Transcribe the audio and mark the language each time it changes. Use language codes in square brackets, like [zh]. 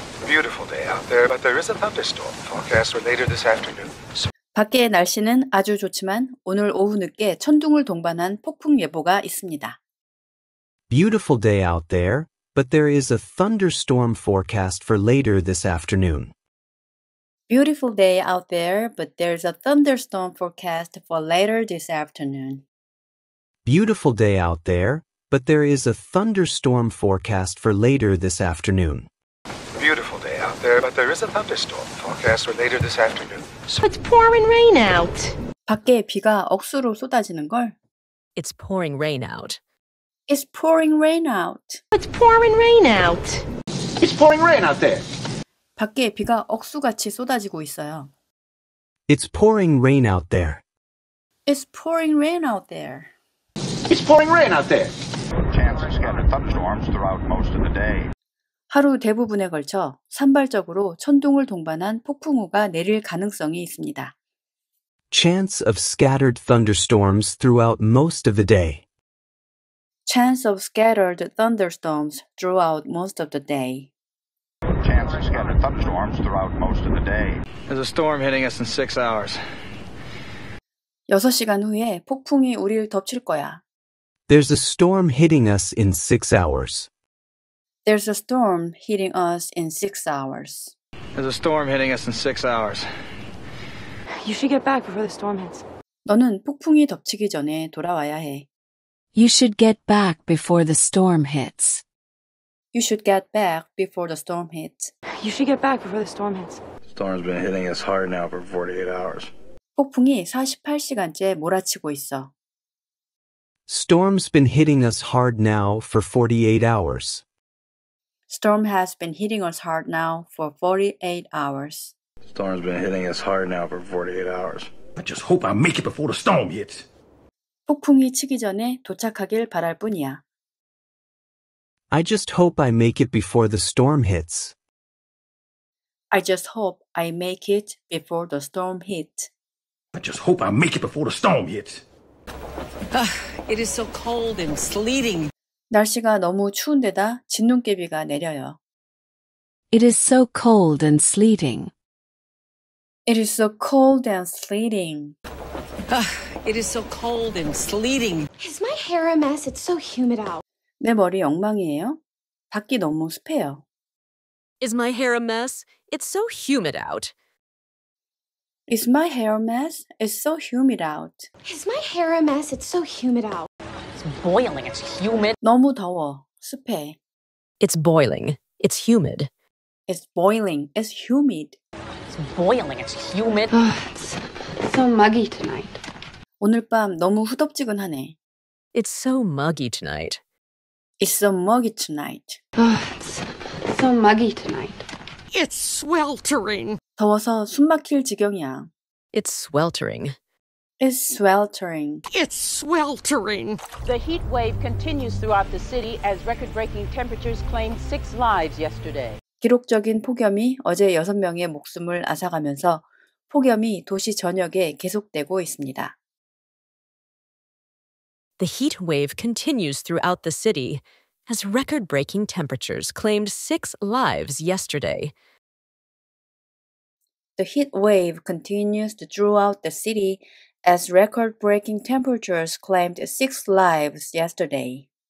[en] Beautiful day out there, but there is a thunderstorm. Forecast for later this afternoon. [ko] 밖에 날씨는 아주 좋지만 오늘 오후 늦게 천둥을 동반한 폭풍 예보가 있습니다. [en] Beautiful day out there, but there is a thunderstorm forecast for later this afternoon. Beautiful day out there, but there's a thunderstorm forecast for later this afternoon. Beautiful day out there, but there is a thunderstorm forecast for later this afternoon. Beautiful day out there, but there is a thunderstorm forecast for later this afternoon. So it's pouring rain out. [ko] 밖에 비가 억수로 쏟아지는 걸. [en] It's pouring rain out. It's pouring rain out. It's pouring rain out. It's pouring rain out there. [ko] 밖에 비가 억수같이 쏟아지고 있어요. [en] It's pouring rain out there. It's pouring rain out there. It's pouring rain out there. Chance of scattered thunderstorms throughout most of the day. [ko] 하루 대부분에 걸쳐 산발적으로 천둥을 동반한 폭풍우가 내릴 가능성이 있습니다. [en] Chance of scattered thunderstorms throughout most of the day. Chance of scattered thunderstorms throughout most of the day. Chance of scattered thunderstorms throughout most of the day. There's a storm hitting us in 6 hours. [ko] 6시간 후에 폭풍이 우리를 덮칠 거야. [en] There's a storm hitting us in 6 hours. There's a storm hitting us in 6 hours. There's a storm hitting us in 6 hours. You should get back before the storm hits. [ko] 너는 폭풍이 덮치기 전에 돌아와야 해. [en] You should get back before the storm hits. You should get back before the storm hits. You should get back before the storm hits. Storm's been hitting us hard now for 48 hours. [ko] 폭풍이 48시간째 몰아치고 있어. [en] Storm's been hitting us hard now for 48 hours. Storm has been hitting us hard now for 48 hours. Storm's been hitting us hard now for 48 hours. I just hope I make it before the storm hits. [ko] 폭풍이 치기 전에 도착하길 바랄 뿐이야. [en] I just hope I make it before the storm hits. I just hope I make it before the storm hits. I just hope I make it before the storm hits. It is so cold and sleeting. [ko] 날씨가 너무 추운데다 진눈깨비가 내려요. [en] It is so cold and sleeting. It is so cold and sleeting. It is so cold and sleeting. Is my hair a mess? It's so humid out. [ko] 내 머리 엉망이에요? 밖이 너무 습해요. [en] Is my hair a mess? It's so humid out. Is my hair a mess? It's so humid out. Is my hair a mess? It's so humid out. It's boiling. It's humid. [ko] 너무 더워. 습해. [en] It's boiling. It's humid. It's boiling. It's humid. It's boiling. It's humid. It's so muggy tonight. [ko] 오늘 밤 너무 후덥지근하네. [en] It's so muggy tonight. It's so muggy tonight. It's so muggy tonight. It's sweltering. [ko] 더워서 숨 막힐 지경이야. [en] It's sweltering. It's sweltering. It's sweltering. The heat wave continues throughout the city as record-breaking temperatures claimed 6 lives yesterday. [ko] 기록적인 폭염이 어제 6명의 목숨을 앗아가면서 폭염이 도시 전역에 계속되고 있습니다. [en] The heat wave continues throughout the city as record-breaking temperatures claimed 6 lives yesterday. The heat wave continues throughout the city as record-breaking temperatures claimed 6 lives yesterday.